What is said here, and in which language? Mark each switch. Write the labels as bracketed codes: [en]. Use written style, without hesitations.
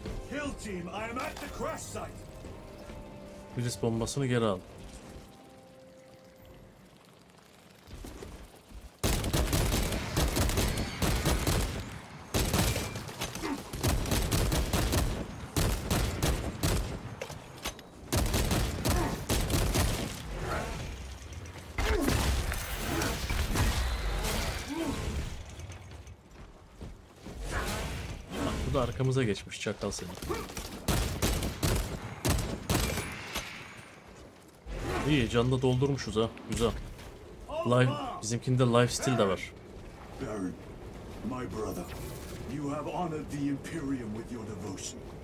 [en] Kill team, I am at the crash site. [tr] Blitz bombasını geri al. Bak, bu da arkamıza geçmiş, çakal seni. İyi, canını da doldurmuşuz ha. Güzel. Life, bizimkinde life steal de var. [en] Baron, my brother, you have honored the Imperium with your devotion.